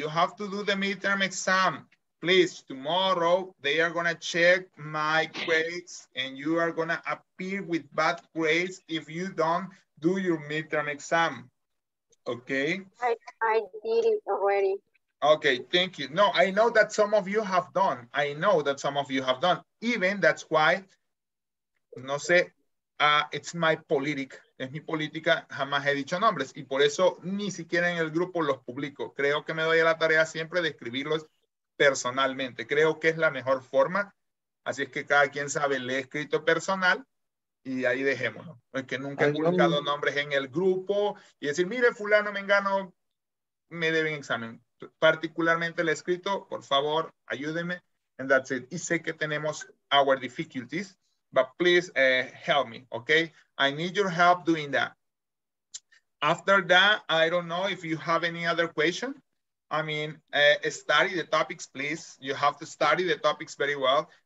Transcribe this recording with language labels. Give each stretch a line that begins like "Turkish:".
English: You have to do the midterm exam. Please, tomorrow, they are going to check my grades and you are going to appear with bad grades if you don't do your midterm exam. Okay? I did it already. Okay, thank you. No, I know that some of you have done. I know that some of you have done. Even that's why,
Spanish: no sé,
English: it's my politic.
Spanish: Es mi política, jamás he dicho nombres. Y por eso ni siquiera en el grupo los publico. Creo que me doy a la tarea siempre de escribirlos personalmente. Creo que es la mejor forma. Así es que cada quien sabe, le he escrito personal y ahí dejémoslo. Es que nunca he publicado nombres en el grupo y decir, mire, fulano, mengano, me deben examen. Particularmente le he escrito, por favor, ayúdeme.
English: And that's it.
Spanish: Y sé que tenemos
English: our difficulties, but please help me, okay? I need your help doing that. After that, I don't know if you have any other question. I mean, study the topics, please. You have to study the topics very well.